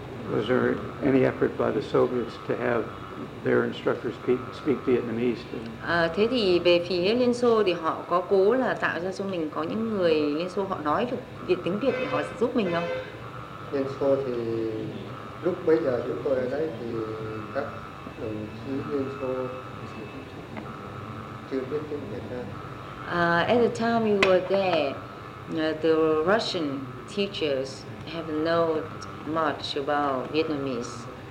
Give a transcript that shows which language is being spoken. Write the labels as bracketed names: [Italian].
[English] Was there any effort by the Soviets to have their instructors speak Vietnamese? [Vietnamese] Thế thì về phía Liên Xô thì họ có cố là tạo ra cho mình có những người Liên Xô họ nói được tiếng Việt để họ giúp mình không? Liên Xô thì lúc bây giờ chúng tôi ở đây thì các đồng chí Liên Xô chưa biết tiếng Việt. [English] At the time you were there, the Russian teachers have known much about Vietnamese.